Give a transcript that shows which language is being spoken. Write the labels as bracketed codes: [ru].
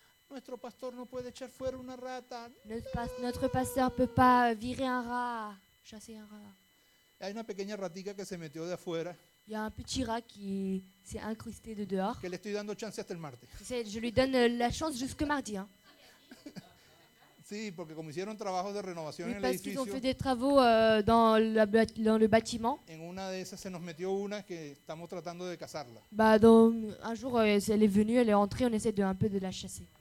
[es] Nuestro pastor no puede echar fuera una rata. [fr] Notre pasteur peut pas virer un rat, chasser un rat. [es] Hay una pequeña ratica que se metió de afuera. [fr] Il y a un petit rat qui s'est incrusté de dehors. [es] Que le estoy dando chance hasta el martes. [fr] Je lui donne la chance jusque mardi. Hein. [es] Sí, porque como hicieron trabajos de renovación [fr] oui, [es] en el edificio. [fr] Parce qu'ils ont fait des travaux dans le bâtiment. [es] En una de esas se nos metió una que estamos tratando de cazarla. [fr] Bah donc un jour elle est venue, elle est entrée, on essaie de un peu de la chasser.